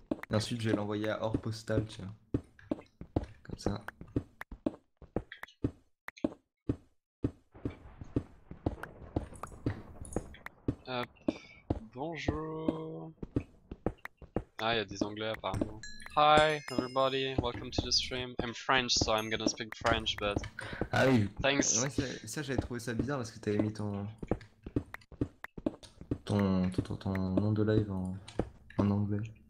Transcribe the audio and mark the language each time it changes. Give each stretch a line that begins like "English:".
French: Et ensuite, je vais l'envoyer à Or Postal, tu vois. Comme ça. Hop, bonjour. Ah, il y a des anglais apparemment.
English: Hi everybody, welcome to the stream. I'm French, so I'm gonna speak French, but
French: Ah oui, ouais,
English: thanks.
French: ça j'avais trouvé ça bizarre parce que t'avais mis ton nom de live en anglais.